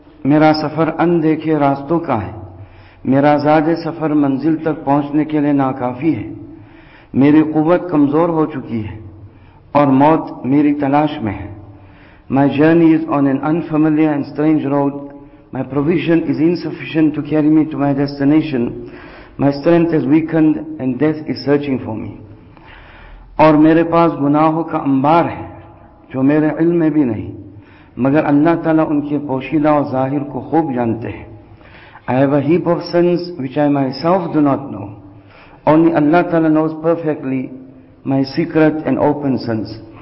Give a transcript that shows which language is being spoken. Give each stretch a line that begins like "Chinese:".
Urdu: میرا سفر اندیکھے راستوں کا ہے، میرا زاد سفر منزل تک پہنچنے کے لیے ناکافی ہے، میری قوت کمزور ہو چکی ہے اور موت میری تلاش میں ہے.
English: My journey is on an unfamiliar and strange road. My provision is insufficient to carry me to my destination. My strength has weakened and death is searching for me.
Urdu: اور میرے پاس گناہوں کا انبار ہے جو میرے علم میں بھی نہیں، مگر اللہ تعالیٰ ان کے پوشیدہ اور ظاہر کو خوب جانتے ہیں.
English: I have a heap of sins which I myself do not know. Only Allah Ta'ala knows perfectly my secret and open sins.